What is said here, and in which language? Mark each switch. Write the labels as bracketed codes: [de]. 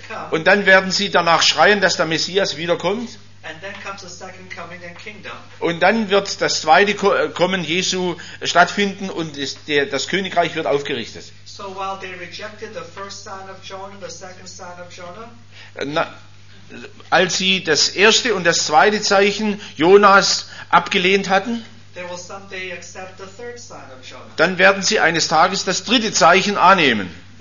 [de] Und dann werden sie danach schreien, dass der Messias wiederkommt. [en] And then comes the second coming and kingdom. [de] Und dann wird das zweite Kommen Jesu stattfinden und das Königreich wird aufgerichtet. [en] So while they rejected the first sign of Jonah, the second sign of Jonah. [de] Als sie das erste und das zweite Zeichen Jonas abgelehnt hatten, [en] they will someday accept the third sign of Jonah. [de] Dann werden sie eines Tages das dritte Zeichen annehmen.